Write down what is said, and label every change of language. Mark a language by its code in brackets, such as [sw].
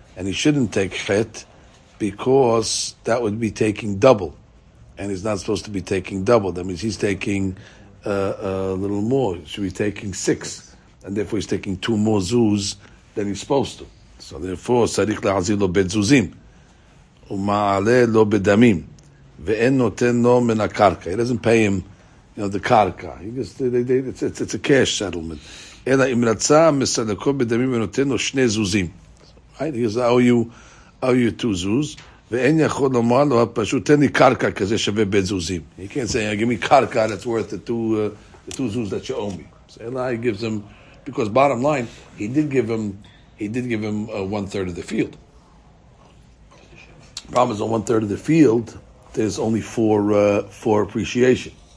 [en] And he shouldn't take chet because that would be taking double. And he's not supposed to be taking double. That means he's taking a little more. He should be taking 6. And therefore he's taking 2 more zuz than he's supposed to. So therefore, [he] sarik la'azir lo bet zuzim. ומעלה לו בדמים, ואין נותן לו מן הקרקע. [en] He doesn't pay him, you know, the קרקע. He just, it's a cash settlement. [he] אלא אם רצה מסלקו בדמים ונותן לו שני זוזים. Right? [en] He goes, I owe you two zoos. [he] ואין יכול לומר לו, פשוט תן לי קרקע כזה שווה בית זוזים. [en] He can't say, give me קרקע that's worth the two zoos that you owe me. So Eli gives him, because bottom line, he did give him one third of the field. Problem is, on one third of the field, there's only four appreciation.